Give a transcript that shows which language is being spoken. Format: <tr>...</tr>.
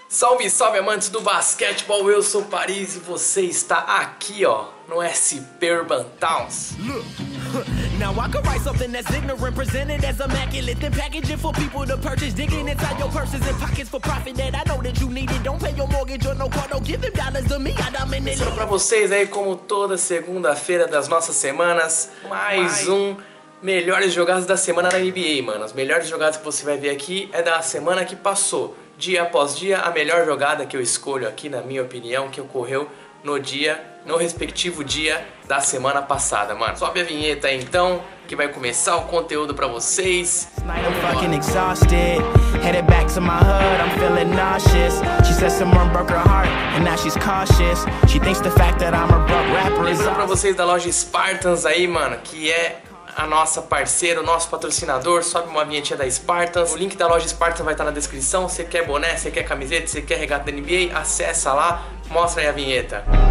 <pt>Salve, salve, amantes do basquetebol, eu sou Paris e você está aqui, ó, no SP Urban Towns.</pt> <en>Now I could write something that's ignorant, presented as immaculate, then package it for people to purchase, digging inside your purses and pockets for profit that I know that you need it. Don't pay your mortgage or no car, don't give them dollars to me, I don't need it.</en> <pt>Pra vocês aí, como toda segunda-feira das nossas semanas, mais um Melhores Jogadas da Semana da NBA, mano. As melhores jogadas que você vai ver aqui é da semana que passou. Dia após dia, a melhor jogada que eu escolho aqui, na minha opinião, que ocorreu no dia, no respectivo dia da semana passada, mano. Sobe a vinheta aí, então, que vai começar o conteúdo pra vocês.</pt> <en>I'm fucking exhausted, headed back to my hood, I'm feeling nauseous. She said someone broke her heart, and now she's cautious. She thinks the fact that I'm a broke rapper is...</en> <pt>Lembrando pra vocês da loja Spartans aí, mano, que é a nossa parceira, o nosso patrocinador. Sobe uma vinhetinha da Spartans. O link da loja Spartans vai estar na descrição. Você quer boné, você quer camiseta, você quer regata da NBA, acessa lá, mostra aí a vinheta.</pt>